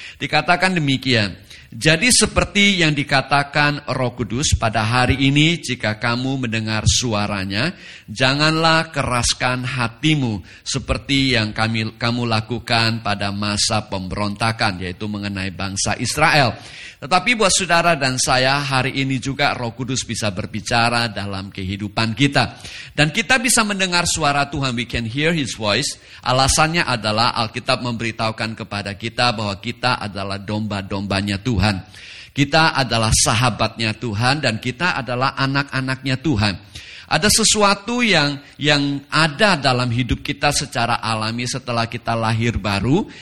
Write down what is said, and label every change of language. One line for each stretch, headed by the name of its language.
Indonesian: Dikatakan demikian, jadi seperti yang dikatakan Roh Kudus pada hari ini, jika kamu mendengar suaranya, janganlah keraskan hatimu seperti yang kamu lakukan pada masa pemberontakan, yaitu mengenai bangsa Israel. Tetapi buat saudara dan saya, hari ini juga Roh Kudus bisa berbicara dalam kehidupan kita. Dan kita bisa mendengar suara Tuhan,
English: we can hear his voice.
Indonesian: Alasannya adalah Alkitab memberitahukan kepada kita bahwa kita adalah domba-dombanya Tuhan. Kita adalah sahabatnya Tuhan dan kita adalah anak-anaknya Tuhan. Ada sesuatu yang ada dalam hidup kita secara alami setelah kita lahir baru.